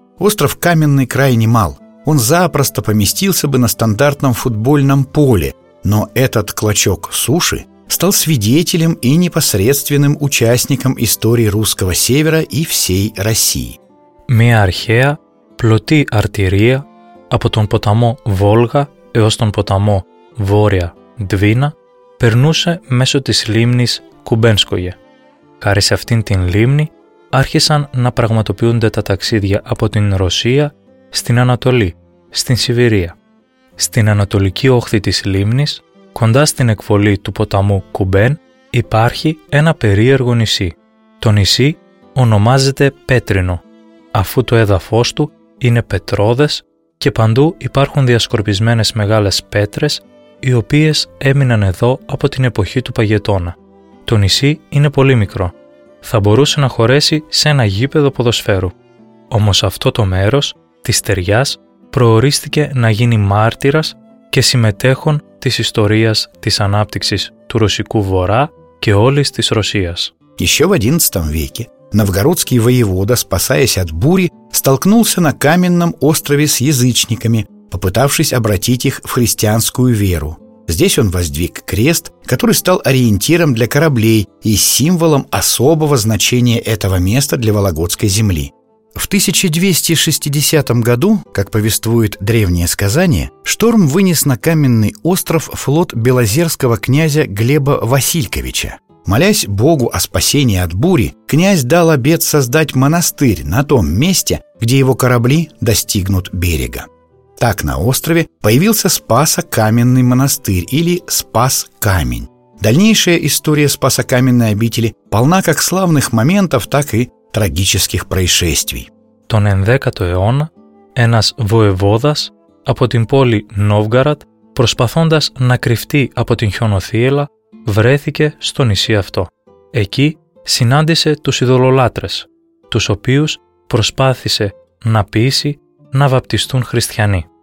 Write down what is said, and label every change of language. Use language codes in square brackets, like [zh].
[ru] Остров каменный крайне мал. Он запросто поместился бы на стандартном футбольном поле, но этот клочок суши стал свидетелем и непосредственным участником истории русского севера и всей России. [el] Мия архея, плоти артерия, а потом потому Волга, и остон потому Воря, Двина, περνούσε μέσω της λίμνης Κουμπένσκογε. Χάρη σε αυτήν την λίμνη άρχισαν να πραγματοποιούνται τα ταξίδια από την Ρωσία στην Ανατολή, στην Σιβηρία. Στην ανατολική όχθη της λίμνης, κοντά στην εκβολή του ποταμού Κουμπέν, υπάρχει ένα περίεργο νησί. Το νησί ονομάζεται Πέτρινο, αφού το έδαφος του είναι πετρώδες και παντού υπάρχουν διασκορπισμένες μεγάλες πέτρες οι οποίες έμειναν εδώ από την εποχή του Παγετώνα. Το νησί είναι πολύ μικρό. Θα μπορούσε να χωρέσει σε ένα γήπεδο ποδοσφαίρου. Όμως αυτό το μέρος της στεριάς προορίστηκε να γίνει μάρτυρας και συμμετέχων της ιστορίας της ανάπτυξης του Ρωσικού Βορρά και όλης της Ρωσίας. [ru] Еще в XI веке новгородский воевода, спасаясь от бури, столкнулся на каменном острове с язычниками, попытавшись обратить их в христианскую веру. Здесь он воздвиг крест, который стал ориентиром для кораблей и символом особого значения этого места для Вологодской земли. В 1260 году, как повествует древнее сказание, шторм вынес на каменный остров флот белозерского князя Глеба Васильковича. Молясь Богу о спасении от бури, князь дал обет создать монастырь на том месте, где его корабли достигнут берега. Так на острове появился Спасокаменный монастырь или Спас-камень. Дальнейшая история Спасокаменной обители полна как славных моментов, так и трагических происшествий. [el] Τον 10ο αιώνα, ένας βοεβόδας από την πόλη Νόβγαραντ, προσπαθώντας να κρυφτεί από την χιονοθύελλα, βρέθηκε στο νησί αυτό. Εκεί συνάντησε τους ειδωλολάτρες, τους οποίους προσπάθησε να πείσει να βαπτιστούν χριστιανοί.